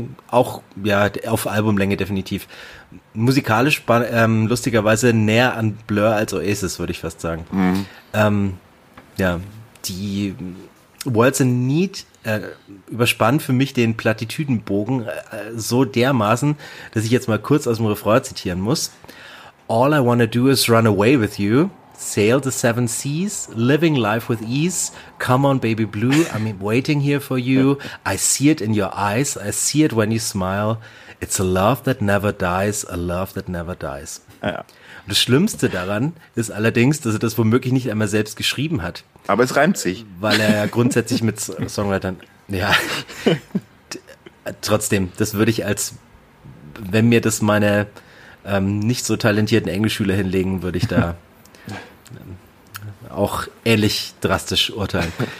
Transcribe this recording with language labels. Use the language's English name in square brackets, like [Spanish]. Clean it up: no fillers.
[German] Auf Albumlänge definitiv. Musikalisch lustigerweise näher an Blur als Oasis, würde ich fast sagen. Mhm. Die Words in Need überspannt für mich den Plattitüdenbogen so dermaßen, dass ich jetzt mal kurz aus dem Refrain zitieren muss. [English] All I wanna do is run away with you. Sail the seven seas, living life with ease. Come on, baby blue, I'm waiting here for you. I see it in your eyes, I see it when you smile. It's a love that never dies, a love that never dies. [German] Ja. Das Schlimmste daran ist allerdings, dass er das womöglich nicht einmal selbst geschrieben hat. Aber es reimt sich. Weil er ja grundsätzlich mit Songwritern, ja, trotzdem, das würde ich als, wenn mir das meine nicht so talentierten Englischschüler hinlegen, würde ich da auch ähnlich drastisch urteilen.